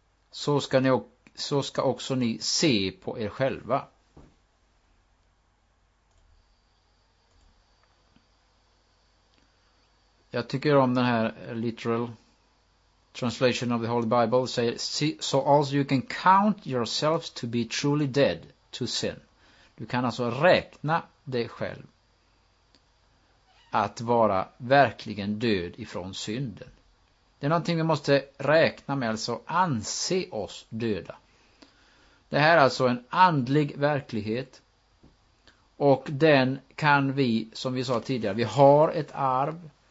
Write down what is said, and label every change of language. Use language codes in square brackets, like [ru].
[sv] Så ska också ni se på er själva. Jag tycker om den här [en] literal translation of the Holy Bible. [sv] Säger, [en] so also you can count yourselves to be truly dead to sin. [sv] Du kan alltså räkna dig själv att vara verkligen död ifrån synden. Det är någonting vi måste räkna med, alltså anse oss döda. Det här är alltså en andlig verklighet. Och den kan vi, som vi sa tidigare, vi har ett arv.